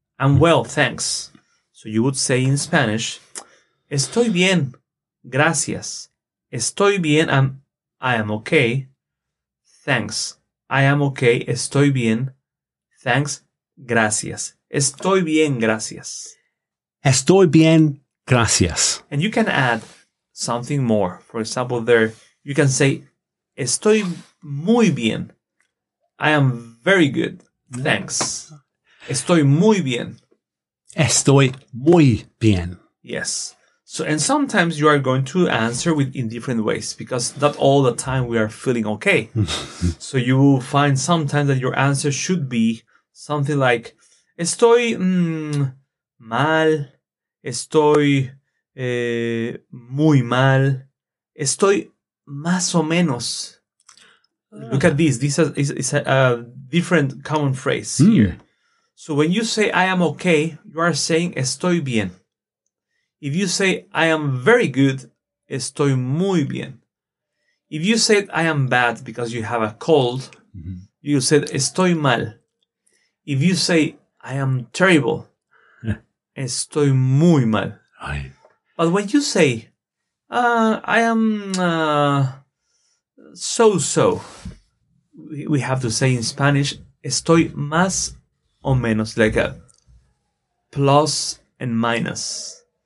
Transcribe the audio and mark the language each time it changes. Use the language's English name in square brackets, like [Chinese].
[English] I'm well, thanks. So you would say in Spanish, [Spanish] Estoy bien. Gracias. Estoy bien. [English] I am okay. Thanks. I am okay. [Spanish] Estoy bien. [English] Thanks. [Spanish] Gracias. Estoy bien. Gracias. Estoy bien. Gracias. [English] And you can add something more. For example, there you can say, [Spanish] Estoy muy bien. [English] I am very good. Thanks. [Spanish] Estoy muy bien. Estoy muy bien. [English] Yes. So, and sometimes you are going to answer with in different ways because not all the time we are feeling okay. So you will find sometimes that your answer should be something like, [Spanish] Estoy mal. Estoy muy mal. Estoy más o menos. [English] Look at this. This is a different common phrase here. So when you say, I am okay, you are saying, [Spanish] Estoy bien. [English] If you say, I am very good, [Spanish] Estoy muy bien. [English] If you said I am bad because you have a cold, you said [Spanish] estoy mal. [English] If you say I am terrible, [Spanish] estoy muy mal. Ay. [English] But when you say I am so-so, we have to say in Spanish [Spanish] estoy más o menos, [English] like a plus and minus.